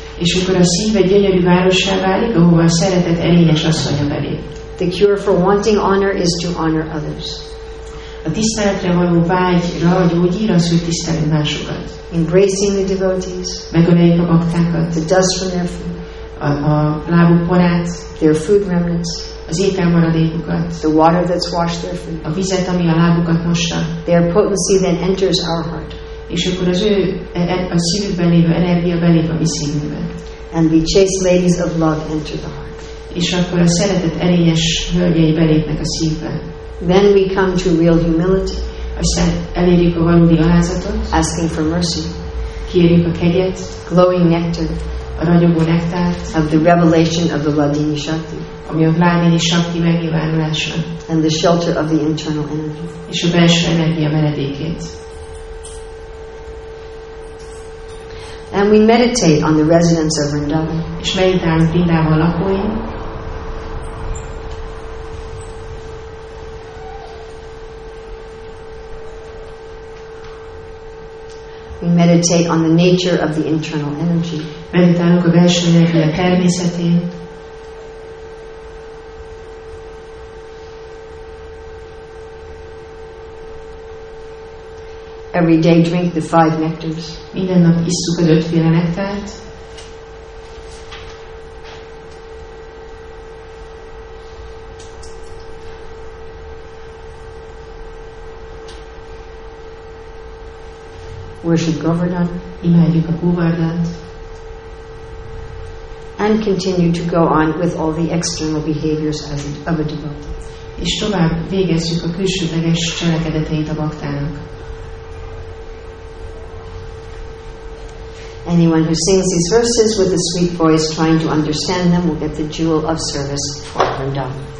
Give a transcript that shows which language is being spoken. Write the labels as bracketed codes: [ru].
[hu] És akkor a szív egy gyönyörű várossá válik, ahova a szeretet erényes asszonya belép. [en] The cure for wanting honor is to honor others. [hu] A tiszteletre való vágyra a gyógyír az, hogy tiszteli másokat. [en] Embracing the devotees. [hu] Megöleljük a baktákat. [en] The dust from their feet. [hu] A lábuk porát, [en] their food remnants, [hu] az étel maradékukat, [en] the water that's washed their feet, [hu] a vizet, ami a lábukat mossa, [en] their potency then enters our heart, [hu] és akkor az ő a szívükben lévő energia belép a mi szívünkbe, [en] and the chaste ladies of love enter the heart, [hu] és akkor a szeretet erényes hölgyei belépnek a szívbe. [en] Then we come to real humility, [hu] aztán elérjük a valódi alázatot, [en] asking for mercy, [hu] kérjük a kegyet, [en] glowing nectar, [hu] a ragyogó nektár, [en] of the revelation of the Ladini Shakti, [hu] ami a Ladini Shakti megnyilvánulása, [en] and the shelter of the internal energy, [hu] és a belső energia menedékét. [en] And we meditate on the residence of Vrindavan, [hu] és meditálunk Vrindavan lakóin. [en] We meditate on the nature of the internal energy. [hu] Meditálunk a belső energia természetén. [en] Every day drink the five nectars. [hu] Minden nap isszuk az ötféle nektárt. [en] Worship Govardhan. [hu] Imádjuk a Govardhant. [en] And continue to go on with all the external behaviors of a devotee. [hu] És tovább végezzük a külsődleges cselekedeteit a baktának. [en] Anyone who sings these verses with a sweet voice trying to understand them will get the jewel of service for Govardhan.